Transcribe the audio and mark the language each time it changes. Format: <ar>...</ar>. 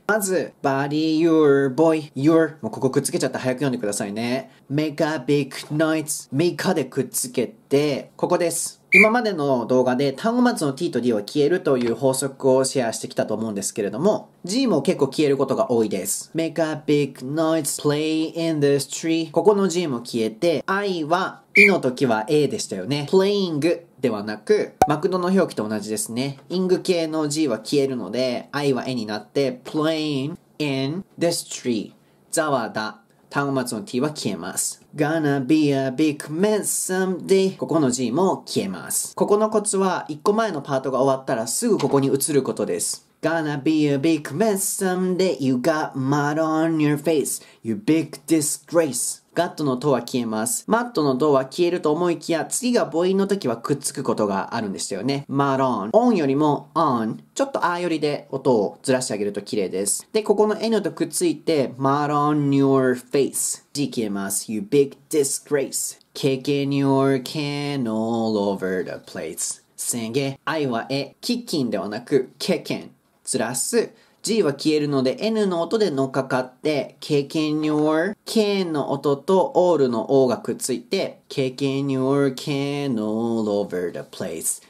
<ja>まず</ja> <en>BuddyYour boy, your、</en> <ja>もうここくっつけちゃって早く読んでくださいね。</ja> <en>Make a big noise、 Make</en> <ja>でくっつけて、ここです。今までの動画で単語末の T と D は消えるという法則をシェアしてきたと思うんですけれども、 G も結構消えることが多いです。</ja> <en>Make a big noise, play in the street、</en> <ja>ここの G も消えて、 I は、 イの時は A でしたよね。 Playing ではなく、マクドの表記と同じですね。 ing 系の G は消えるので、 I は A になって、</ja> <en>playingIn the street、</en> <ja>ザワダ、単語末の T は消えます。</ja> <en>Gonna be a big mess someday、</en> <ja>ここの G も消えます。ここのコツは、1個前のパートが終わったらすぐここに移ることです。</ja> <en>Gonna be a big mess someday、 You got mud on your face、 You big disgrace。</en> <ja>Got のとは消えます。Mud のとは消えると思いきや、次が母音の時はくっつくことがあるんですよね。 Mud on、 on よりも on、ちょっとあー寄りで音をずらしてあげると綺麗です。で、ここの N とくっついて、</ja> <en>Mud on your face。</en> <ja>G 消えます。</ja> <en>You big disgrace。 Kicking your can all over the place。</en> <ja>宣言。I は A。</ja> <en>Kicking</en> <ja>ではなく、</ja> <en>Kicking。</en> <ja>ずらす。 G は消えるので、N の音で乗っかかって、</ja> <en>Kicking your can の音と All の O がくっついて、Kicking your can all over the place。</en>